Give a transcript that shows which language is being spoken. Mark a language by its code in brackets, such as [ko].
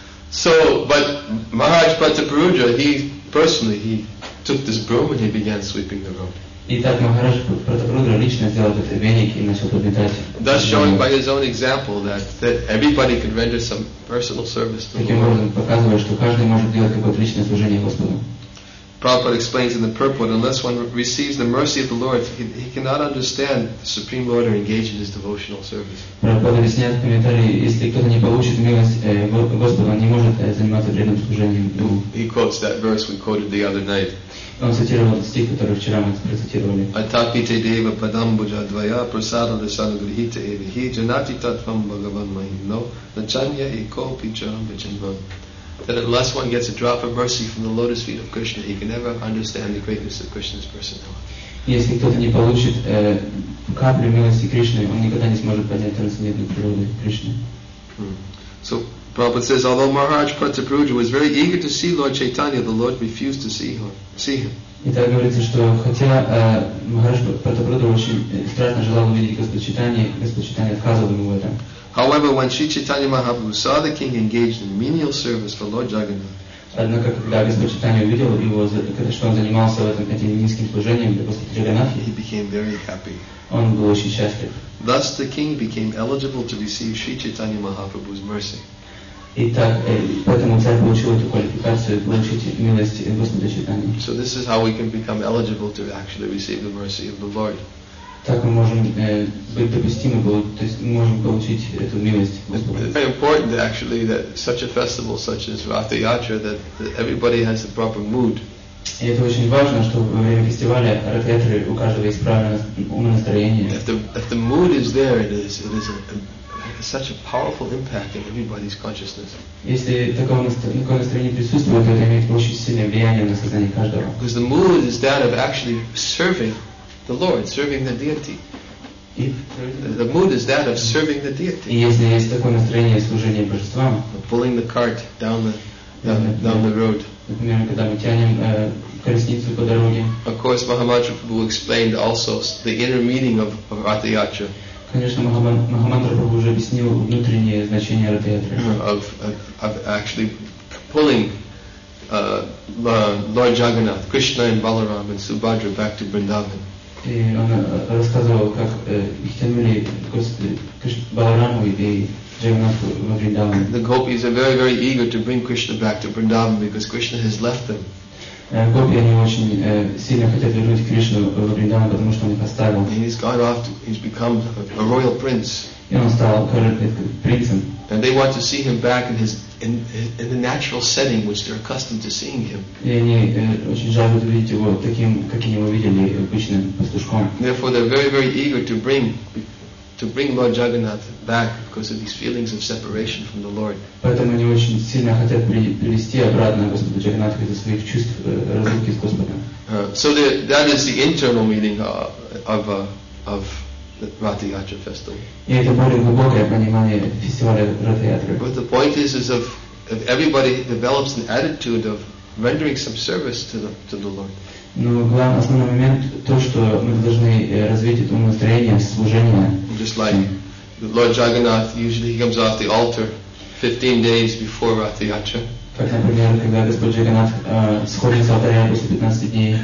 [en] So, but Maharaj Pataparudra, he took this broom and he began sweeping the road. [ru] Итак, Махарадж Пратапрудра лично сделал этот веник и начал подметать. [en] Thus showing by his own example that everybody can render some personal service to the Lord. [ru] Таким образом, показывая, что каждый может делать какое-то личное служение Господу. [en] Prabhupada explains in the purport, unless one receives the mercy of the Lord, he cannot understand the Supreme Lord or engage in his devotional service. [ru] Prabhupada объясняет в комментарии, если кто-то не получит милость Господа, он не может заниматься преданным служением. [en] He quotes that verse we quoted the other night. [ru] Он цитировал стих, который вчера мы процитировали. [sa] Атапите дева падам буджа двая прасада дасана грихита эвихи джанати татвам бхагаван махимно начанья и ко пичарам бачанван. [en] That unless one gets a drop of mercy from the lotus feet of Krishna, he can never understand the greatness of Krishna's personality. [ru] Если кто-то не получит каплю милости Кришны, он никогда не сможет понять трансцендентную природу Кришны. [en] So, Prabhupada says, although Maharaj Pratapruja was very eager to see Lord Chaitanya, the Lord refused to see him. [ru] Итак, говорится, что хотя Махарадж Пратапруджа очень страстно желал увидеть Господа Чайтанья отказывал ему в этом. [en] However, when Sri Chaitanya Mahaprabhu saw the king engaged in menial service for Lord Jagannath, [ru] однако когда Господь Чайтанья увидел его, что он занимался этим низким служением для Господа Джаганнатха, [en] he became very happy. [ru] Он был очень счастлив. [en] Thus, the king became eligible to receive Sri Chaitanya Mahaprabhu's mercy. [ru] Итак, поэтому царь получил эту квалификацию получить милость Господа Чайтаньи. [en] So this is how we can become eligible to actually receive the mercy of the Lord. [ru] Так мы можем быть допустимы, то есть мы можем получить эту милость. [en] It's very important actually that such a festival such as Ratha Yatra that everybody has the proper mood. [ru] И это очень важно, что во время фестиваля Ратха Ятры у каждого есть правильное настроение. [en] If the mood is there, it is such a powerful impact in everybody's consciousness. [ru] Если такое настроение присутствует, то это имеет очень сильное влияние на сознание каждого. [en] Because the mood is that of actually serving the Lord, serving the deity. The mood is that of serving the deity. [ru] Если есть такое настроение служения божествам, [en] pulling the cart down the road. [ru] Например, когда мы тянем колесницу по дороге. [en] Of course, Mahamantra Prabhu explained also the inner meaning of Ratha Yatra. [ru] Конечно, Mahamantra Prabhu уже объяснил внутреннее значение Ратха Ятры. [en] Of actually pulling Lord Jagannath, Krishna and Balaram and Subhadra back to Vrindavan. [ru] И он рассказывал, как их тянули Балараму и Джагнатху во Вриндаван. [en] The gopis are very, very eager to bring Krishna back to Vrindavan because Krishna has left them. [ru] Гопи, они очень сильно хотят вернуть Кришну в Вриндаван, потому что он их оставил. [en] And he's gone off to, he's become a royal prince. [ru] И он стал принцем. [en] And they want to see him back in his in the natural setting which they're accustomed to seeing him. [ru] И они очень жаждут увидеть его таким, как они его видели обычным пастушком. [en] Therefore, they're very, very eager to bring Lord Jagannath back because of these feelings of separation from the Lord. [ru] Поэтому они очень сильно хотят привести обратно Господа Джагнатха из-за своих чувств разлуки с Господом. [en] So that is the internal meaning of the Ratha Yatra festival. [ru] И это более глубокое понимание фестиваля Ратха Ятры. [en] But the point is if everybody develops an attitude of rendering some service to the Lord. [ru] Но главный основной момент то, что мы должны развить это настроение служения. [en] Just like Lord Jagannath, usually he comes off the altar 15 days before Ratha Yatra. [ru] Так, например, когда Господь Джаганнат сходит с алтаря после 15 дней.